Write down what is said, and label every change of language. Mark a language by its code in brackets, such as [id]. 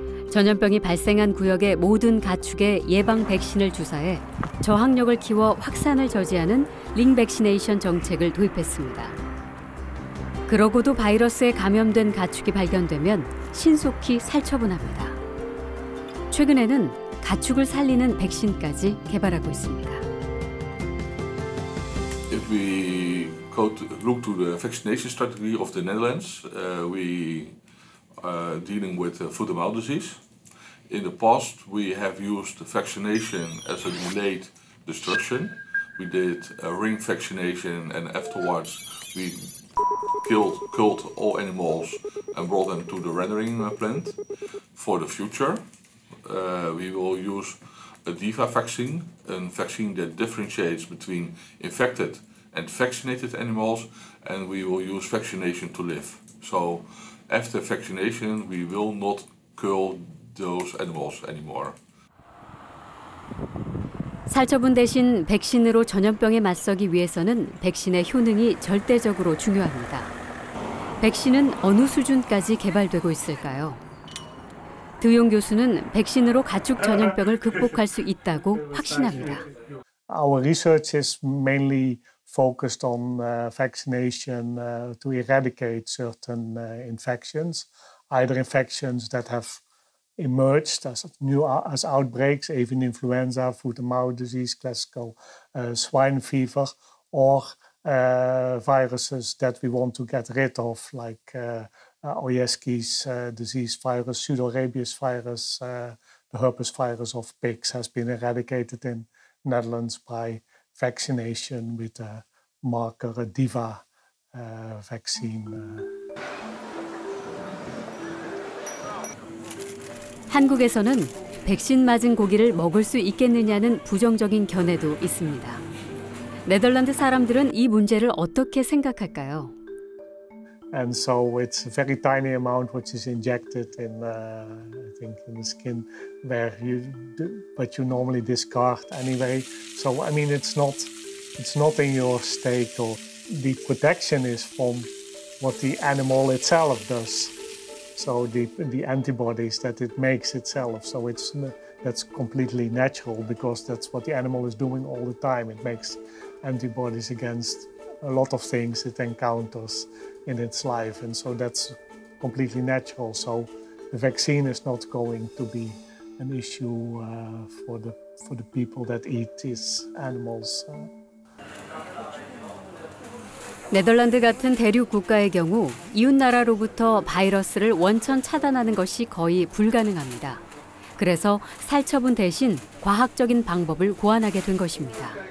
[ko] 전염병이 발생한 구역의 모든 가축에 예방 백신을 주사해 저항력을 키워 확산을 저지하는 링 백시네이션 정책을 도입했습니다. 그러고도 바이러스에 감염된 가축이 발견되면 신속히 살처분합니다. 최근에는 가축을 살리는 백신까지 개발하고 있습니다. [en] If we look to the vaccination strategy of the Netherlands, we are dealing with foot and mouth disease. In the past, we have used vaccination as a delayed destruction. We did a ring vaccination, and afterwards, we killed all animals and brought them to the rendering plant. For the future, we will use a DIVA vaccine, a vaccine that differentiates between infected and vaccinated animals, and we will use vaccination to live. So after vaccination, we will not kill those animals anymore. [ko] 살처분 대신 백신으로 전염병에 맞서기 위해서는 백신의 효능이 절대적으로 중요합니다. 백신은 어느 수준까지 개발되고 있을까요? 드용 교수는 백신으로 가축 전염병을 극복할 수 있다고 확신합니다. [en] Our research is mainly focused on vaccination to eradicate certain infections, either infections that have emerged as new as outbreaks, even influenza, foot and mouth disease, classical swine fever, or viruses that we want to get rid of, like Oyeski's disease virus, pseudorabies virus, the herpes virus of pigs has been eradicated in Netherlands by vaccination with a marker, a DIVA vaccine. [ko] 한국에서는 백신 맞은 고기를 먹을 수 있겠느냐는 부정적인 견해도 있습니다. 네덜란드 사람들은 이 문제를 어떻게 생각할까요? [en] And so it's a very tiny amount which is injected in I think in the skin where you do, but you normally discard anyway. So I mean it's not in your steak or the protection is from what the animal itself does. So the antibodies that it makes itself, so it's that's completely natural because that's what the animal is doing all the time. It makes antibodies against a lot of things it encounters in its life, and so that's completely natural. So the vaccine is not going to be an issue for the people that eat these animals. [ko] 네덜란드 같은 대륙 국가의 경우 이웃 나라로부터 바이러스를 원천 차단하는 것이 거의 불가능합니다. 그래서 살처분 대신 과학적인 방법을 고안하게 된 것입니다.